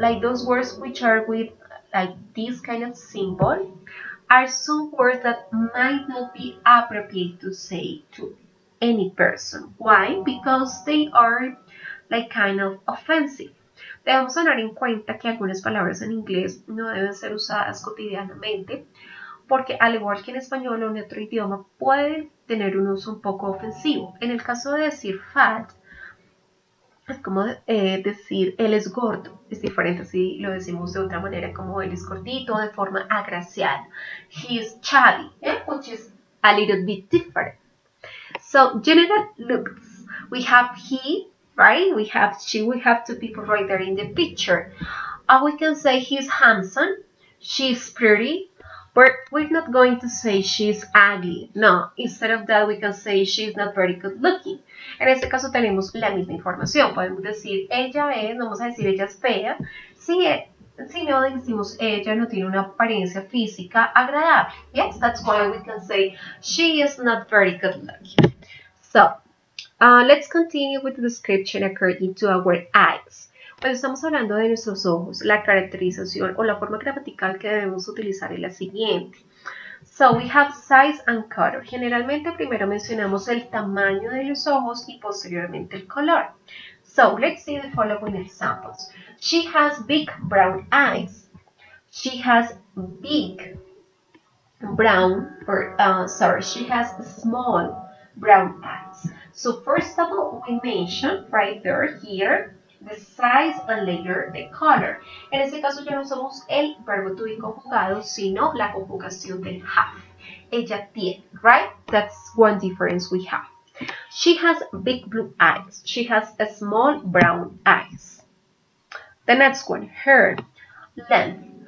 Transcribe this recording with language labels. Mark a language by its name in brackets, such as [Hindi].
[English] Like those words which are with like this kind of symbol are some words that might not be appropriate to say to any person. Why? Because they are like kind of offensive. [Spanish] Debemos tener en cuenta que algunas palabras en inglés no deben ser usadas cotidianamente, porque al igual que en español o en otro idioma, puede tener un uso un poco ofensivo. En el caso de decir fat, es como decir él es gordo. Es diferente si lo decimos de otra manera, como él es gordito, de forma agraciada. [English] He is chubby, which is a little bit different. So, general looks. We have he, right? We have she. We have two people right there in the picture. We can say he's handsome. She's pretty. But we're not going to say she's ugly. No, instead of that we can say she's not very good looking. [Spanish] En este caso tenemos la misma información. Podemos decir ella es, no vamos a decir ella es fea. Si no decimos ella no tiene una apariencia física agradable. [English] Yes, that's why we can say she is not very good looking. So, let's continue with the description according to our eyes. [Spanish] Cuando estamos hablando de nuestros ojos, la caracterización o la forma gramatical que debemos utilizar es la siguiente. [English] So, we have size and color. [Spanish] Generalmente, primero mencionamos el tamaño de los ojos y posteriormente el color. [English] So, let's see the following examples. She has big brown eyes. She has big brown, she has small brown eyes. So, first of all, we mention right there, here, the size and later the color. [Spanish] En este caso ya no usamos el verbo to be conjugado, sino la conjugación del have. Ella tiene, [English] right? That's one difference we have. She has big blue eyes. She has a small brown eyes. The next one, her length.